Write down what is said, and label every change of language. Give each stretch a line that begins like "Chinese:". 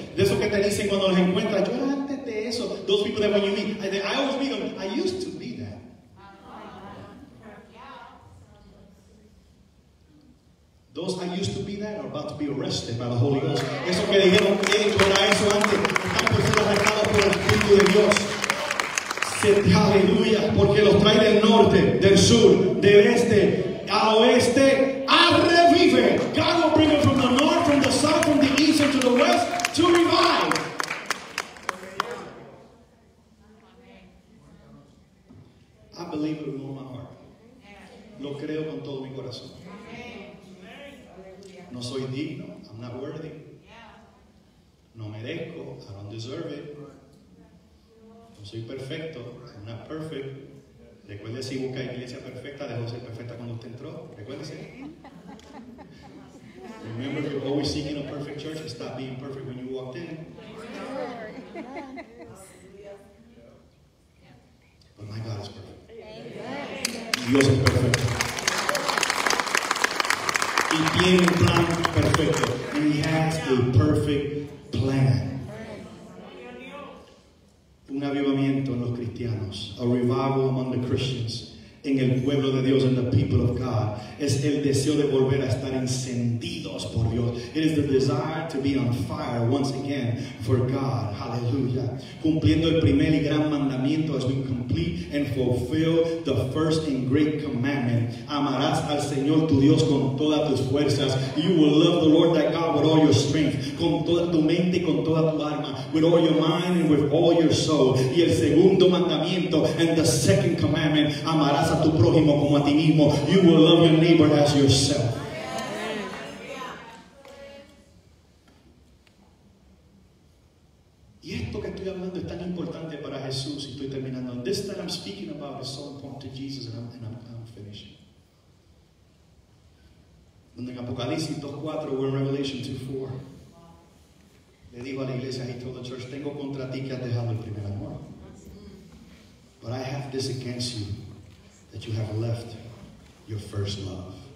Spanish: De esos que te dicen cuando los encuentras, yo era antes de eso.
English: Those people that when you meet, I always meet them. I used to be that. Those that used to be that are about to be arrested by the Holy Ghost.
Spanish: Eso que dijeron que era eso antes. Están por ser arrestados por el Espíritu de Dios. Aleluya. Porque los trae del norte, del sur, del este, al oeste. Revive.
English: God will bring them from the north, from the south, from the east, and to the west to revive. I believe it with all my heart.
Spanish: Lo creo con todo mi corazón. No soy digno,
English: I'm not worthy.
Spanish: No merezco,
English: I don't deserve it.
Spanish: No soy perfecto,
English: I'm not perfect.
Spanish: Recuérdese, si busca iglesia perfecta, dejó ser perfecta cuando usted entró. Recuérdese.
English: Remember, if you're always seeking a perfect church, stop being perfect when you walked in. But my God is perfect.
Spanish: Dios es perfecto. Y tiene un plan perfecto.
English: And he has a perfect plan.
Spanish: Un avivamiento en los cristianos.
English: A revival among the Christians.
Spanish: en el pueblo de Dios,
English: in the people of God,
Spanish: es el deseo de volver a estar encendidos por Dios.
English: It is the desire to be on fire once again for God. Hallelujah.
Spanish: Cumpliendo el primer y gran mandamiento,
English: as we complete and fulfill the first and great commandment.
Spanish: Amarás al Señor tu Dios con todas tus fuerzas.
English: You will love the Lord thy God with all your strength.
Spanish: Con toda tu mente y con toda tu alma.
English: With all your mind and with all your soul.
Spanish: Y el segundo mandamiento,
English: and the second commandment,
Spanish: amarás a tu prójimo como a ti mismo.
English: You will love your neighbor as yourself.
Spanish: Y esto que estoy hablando es tan importante para Jesús. Y estoy terminando.
English: This that I'm speaking about is so important to Jesus, and I'm finishing.
Spanish: Donde en Apocalipsis 2:4,
English: we're in Revelation 2:4.
Spanish: Le dijo a la iglesia,
English: he told the church,
Spanish: tengo contra ti que has dejado el primer amor.
English: But I have this against you, that you have left your first love.